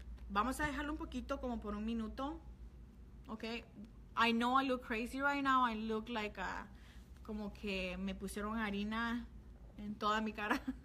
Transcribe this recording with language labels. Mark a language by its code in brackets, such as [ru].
[es] Vamos a dejarlo un poquito, como por un minuto. [en] Okay. I know I look crazy right now. I look like a, [es] como que me pusieron harina en toda mi cara.